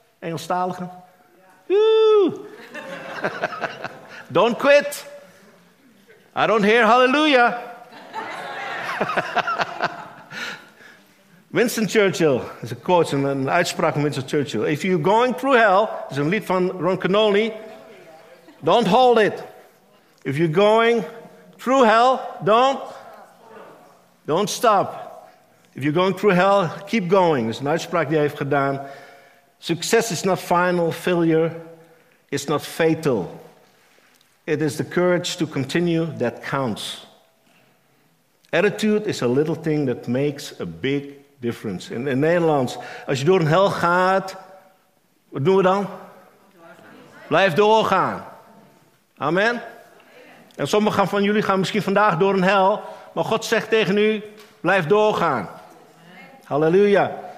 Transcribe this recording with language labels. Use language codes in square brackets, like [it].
[nl] Engelstaligen? Ja. [en] Don't quit. I don't hear hallelujah. [nl] Winston Churchill is een quote, een uitspraak van Winston Churchill. [en] If you're going through hell, [nl] is een lied van [en] Ron Canoli. Don't hold it. If you're going through hell, don't stop. If you're going through hell, keep going. [nl] Is een uitspraak die hij heeft gedaan. [en] Success is not final, failure is not fatal. It is the courage to continue that counts. Attitude is a little thing that makes a big difference. [nl] In Nederlands, als je door een hel gaat, wat doen we dan? Blijf doorgaan. Amen. En sommigen van jullie gaan misschien vandaag door een hel, maar God zegt tegen u, blijf doorgaan. Halleluja.